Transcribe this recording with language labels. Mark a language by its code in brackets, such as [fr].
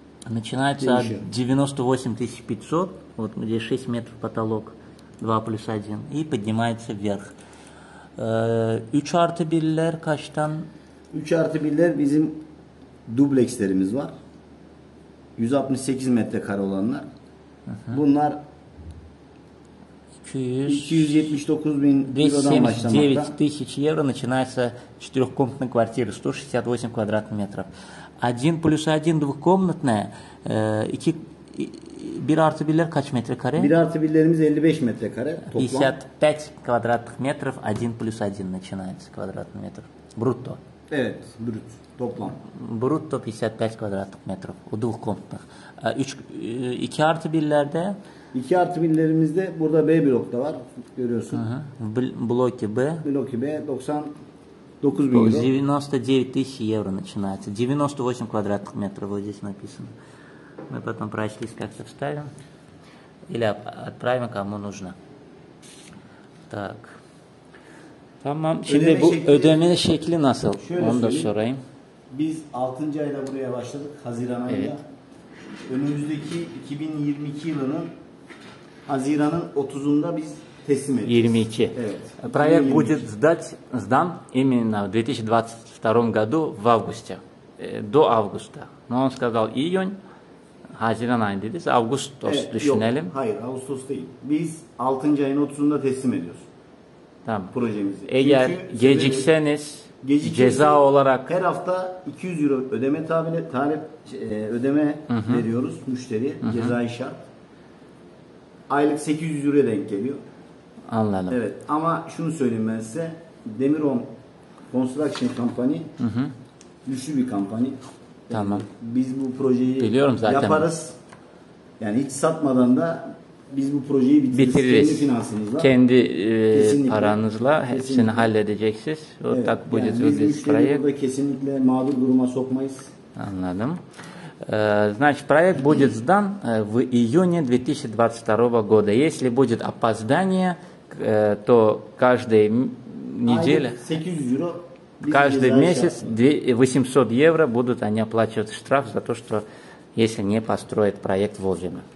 [ru] Начинается от 98 500, вот где 6 метров потолок, 2 плюс 1, и поднимается вверх. [tr] 3 артı 1'ler kaçtan? 3 artı 1'ler bizim dublekslerimiz var. 168 metrekare olanlar. Uh-huh. Bunlar 279 bin euro'dan başlamakta. [ru] Начинается 4-комнатная квартира, 168 квадратных метров. 1 плюс 1 двухкомнатная, [tr] 1 артı 1'ler kaç metrekare? 1 artı 1'lerimiz 55 metrekare. [ru] 55 квадратных метров, 1 плюс 1 начинается квадратный метр. Брутто. [tr] Evet, брут, топлам. [ru] Брутто 55 квадратных метров у двухкомнатных. [tr] 2 артı 1'lerde? 2 artı 1'lerimizde burada B blokta var, görüyorsun. [ru] Bloki B. Bloki B, 99 000 euro начинается. 98 квадратных метров вот здесь написано. Мы потом прайс-лист как-то вставим. Или отправим, кому нужно. Так. [tr] Tamam. Şimdi ödeme bu şekli, ödeme şekli nasıl? Onu da sorayım. Biz 6. ayda buraya başladık. Haziran ayında. Evet. Önümüzdeki 2022 yılının Haziran'ın 30'unda biz teslim edeceğiz. 22. Evet. [ru] Проект будет сдан именно в 2022 году в августе. До августа. Но он сказал июнь, [tr] Haziran ayı dediyse Ağustos düşünelim. Yok. Hayır, Ağustos değil. Biz 6. ayın 30'unda teslim ediyoruz. Tamam. Projemizi. Eğer çünkü gecikseniz ceza olarak her hafta 200 euro ödeme tabiri talep ödeme hı-hı veriyoruz müşteriye cezai şart. Aylık 800 euroya denk geliyor. Anladım. Evet, ama şunu söyleyeyim ben size. Demirom Construction Company güçlü bir kampanya. Tamam. Biz bu projeyi biliyorum zaten yaparız. Yani hiç satmadan da biz bu projeyi bitiririz. Kendi finansınızla. Kendi paranızla hepsini halledeceksiniz. Evet. Yani biz müşteriyi burada kesinlikle mağdur duruma sokmayız. Anladım. [ru] Значит, проект будет сдан в июне 2022 года. Если будет опоздание, то каждая неделя, каждый месяц 800 евро будут они оплачивать штраф за то, что если не построят проект вовремя.